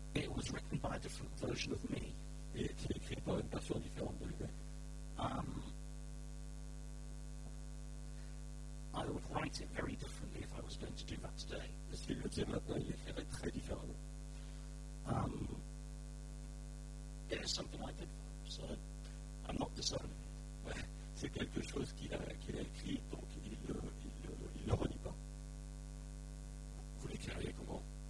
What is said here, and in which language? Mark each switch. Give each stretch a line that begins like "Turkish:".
English: It was written by a different version of me.
French: Et c'est écrit par une version différente de lui-même.
English: I would write it very differently if I was going to do that today.
French: Si je le faisais maintenant, il écrirait très différemment.
English: It is something I did, so I'm not discerning it.
French: Ouais, c'est quelque chose qu'il a écrit, donc il ne le renie pas. Vous l'écririez comment?